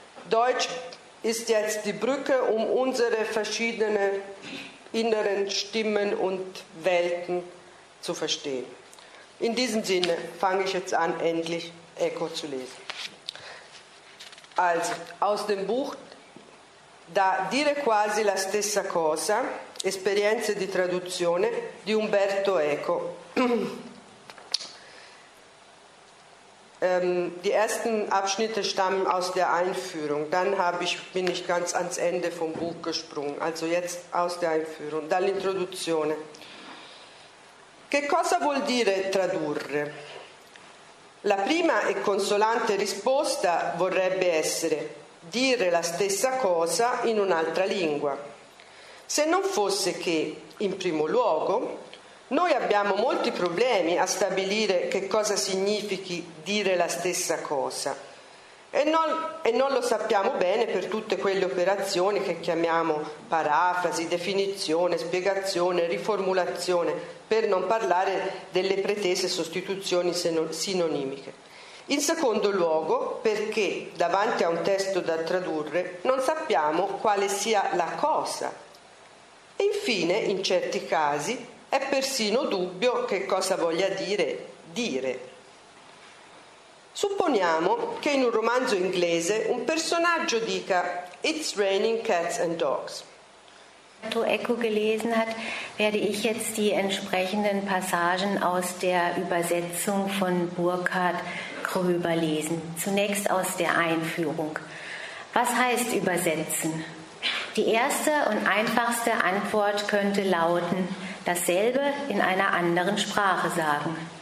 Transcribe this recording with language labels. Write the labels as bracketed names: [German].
[German] Deutsch ist jetzt die Brücke, um unsere verschiedenen inneren Stimmen und Welten zu verstehen. In diesem Sinne fange ich jetzt an, endlich Eco zu lesen. Also, aus dem Buch [Italian] da dire quasi la stessa cosa, esperienze di traduzione di Umberto Eco. [German] Die ersten Abschnitte stammen aus der Einführung, dann bin ich ganz ans Ende vom Buch gesprungen, also jetzt aus der Einführung, [Italian] dall'introduzione. Che cosa vuol dire tradurre? La prima e consolante risposta vorrebbe essere dire la stessa cosa in un'altra lingua. Se non fosse che, in primo luogo, noi abbiamo molti problemi a stabilire che cosa significhi dire la stessa cosa e non lo sappiamo bene per tutte quelle operazioni che chiamiamo parafrasi, definizione, spiegazione, riformulazione, per non parlare delle pretese sostituzioni sinonimiche. In secondo luogo, perché davanti a un testo da tradurre non sappiamo quale sia la cosa. E infine, in certi casi, è persino dubbio che cosa voglia dire. Supponiamo che in un romanzo inglese un personaggio dica [English] «It's raining cats and dogs». [German] Umberto Eco gelesen hat, werde ich jetzt die entsprechenden Passagen aus der Übersetzung von Burkhard Gröber lesen. Zunächst aus der Einführung. Was heißt übersetzen? Die erste und einfachste Antwort könnte lauten, dasselbe in einer anderen Sprache sagen.